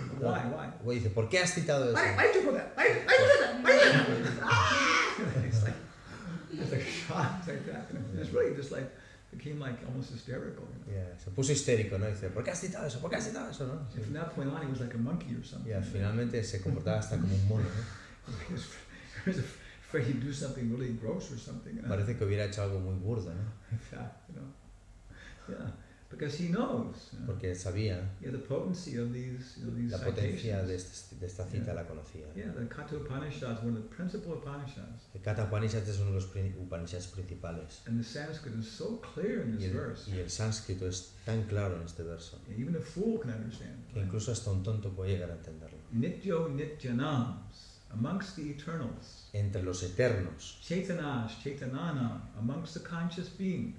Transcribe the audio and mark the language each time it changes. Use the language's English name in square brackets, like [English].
[English] why, why? [Spanish] Güey, dice, ¿por qué has citado eso? [English] Why did you quote that? Why did you quote that? Why did you quote that? It's like shots like that. It's really just like, became like almost hysterical. You know? [Spanish] Yeah, se puso histérico, ¿no? Dice, ¿por qué has citado eso? ¿Por qué has citado eso? ¿No? [English] And from that point on, he was like a monkey or something. [Spanish] Yeah, finalmente se comportaba hasta como un mono, ¿no? [English] Afraid he'd do something really gross or something. You know? [Spanish] Parece que hubiera hecho algo muy burdo, ¿no? [English] Because he knows. You know? [Spanish] Porque sabía. [English] Yeah, the potency of these, you know, these [Spanish] la potencia de esta cita, yeah, la conocía. [English] Yeah, the Katha Upanishad is one of the principal Upanishads. [Spanish] El Katha Upanishad es uno de los Upanishads principales. [English] And the Sanskrit is so clear in this verse. [Spanish] Y el sánscrito es tan claro en este verso. [English] Yeah, even a fool can understand. [Spanish] Que incluso hasta un tonto puede llegar a entenderlo. [English] Nityo nityanams, amongst the eternals. [Spanish] Entre los eternos. [English] Chetanas, chetanana, amongst the conscious beings.